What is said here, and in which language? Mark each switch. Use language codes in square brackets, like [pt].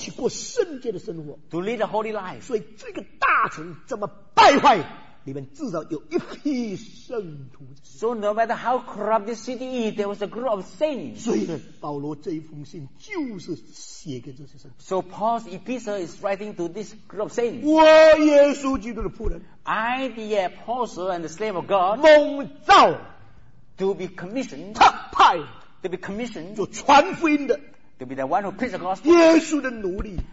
[zh] 去过圣洁的生活。 [en] To lead a holy life. [zh] 所以这个大城这么败坏。里面至少有一批圣徒。 [en] So no matter how corrupt the city is, there was a group of saints. [zh] 所以呢，保罗这一封信就是写给这些圣徒。 [en] So Paul's epistle is writing to this group of saints. [zh] 我耶稣基督的仆人。 [en] I the apostle and the slave of God. [zh] 蒙召 [en] to be commissioned. [zh] 特派 [en] to be commissioned. [zh] 就传福音的。 [en] To be the one who preaches the gospel. [zh] 耶稣的奴隶。